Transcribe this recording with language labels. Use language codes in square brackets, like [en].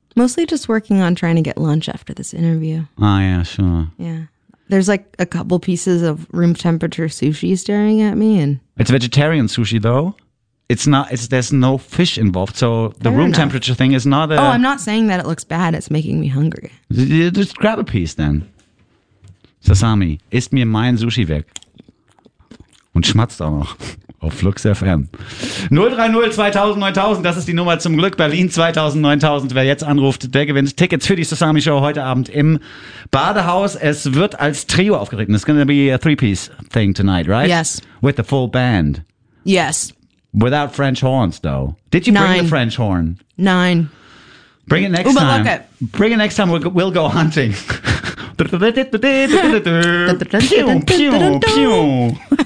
[en] Mostly just working on trying to get lunch after this interview. Oh, yeah, sure. Yeah. There's like a couple pieces of room temperature sushi staring at me. And it's vegetarian sushi, though. there's no fish involved. So the room temperature thing is not a... Oh, I'm not saying that it looks bad. It's making me hungry. Just grab a piece then. [de] Sasami, isst mir mein Sushi weg. Und schmatzt auch noch. Auf Flux FM. 030-2000-9000, das ist die Nummer zum Glück. Berlin 2000-9000. Wer jetzt anruft, der gewinnt Tickets für die Sasami Show heute Abend im Badehaus. Es wird als Trio aufgetreten. [en] It's going to be a three-piece thing tonight, right? Yes. With the full band. Yes. Without French horns, though. Did you bring the French horn? Nine. Bring it next time. Look it. Bring it next time. We'll go hunting. Pew, pew, pew.